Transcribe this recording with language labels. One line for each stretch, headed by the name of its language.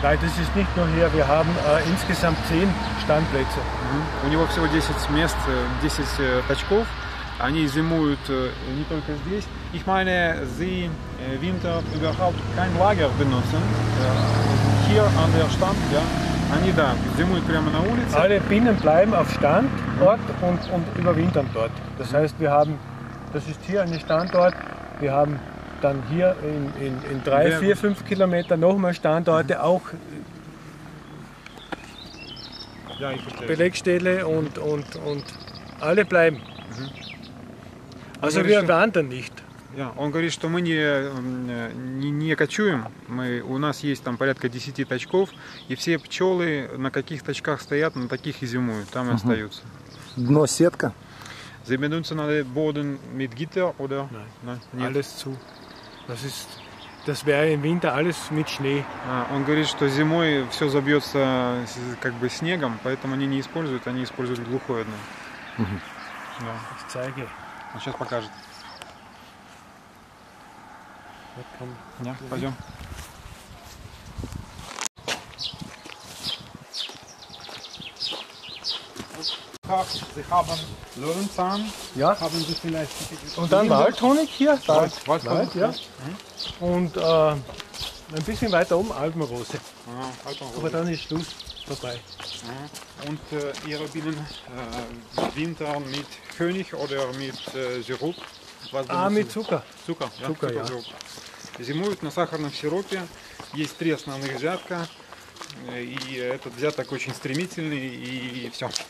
German: Nein, das ist nicht nur hier. Wir haben insgesamt 10 Standplätze.
Russian: У него всего 10 мест, 10 точков. Они зимуют не только здесь.
German: Ich meine, sie Winter überhaupt kein Lager benutzen. Hier an der Stand, ja.
Russian: Они да, зимуют прямо на улице.
German: Alle Bienen bleiben auf Standort und überwintern dort. Das heißt, wir haben, das ist hier ein Standort. Wir haben dann hier in 3, 4, 5 Kilometer nochmal Standorte, auch ja, Belegstelle und alle bleiben. Mhm. Also wir wandern nicht.
Russian: Ja, он говорит, что мы не кочуем, у нас есть там порядка 10 точков, и все пчелы на каких точках стоят, на таких и зимуют, там и остаются. Дно сетка?
German: Sie benutzen alle Boden mit Gitter, oder? Nein, alles zu. Das wäre im Winter alles mit Schnee.
Russian: Он говорит, что зимой все забьется как бы снегом, поэтому они не используют, они используют глухое дно.
German: Да. Ich zeige.
Russian: Он сейчас покажет. Ja, пойдем.
German: Sie haben Löwenzahn. Ja. Haben Sie vielleicht? Und dann Waldhonig hier. Wald, ja. Und ein bisschen weiter oben Alpenrose. Alpenrose. Aber dann ist Schluss vorbei. Und Ihre Bienen Winter mit Honig oder mit Sirup? Mit Zucker. Zucker, ja. Zucker, ja. Sirup.
Russian: Зимуют на сахарном сиропе. Есть три основных взятка. И этот взяток очень стремительный, и все.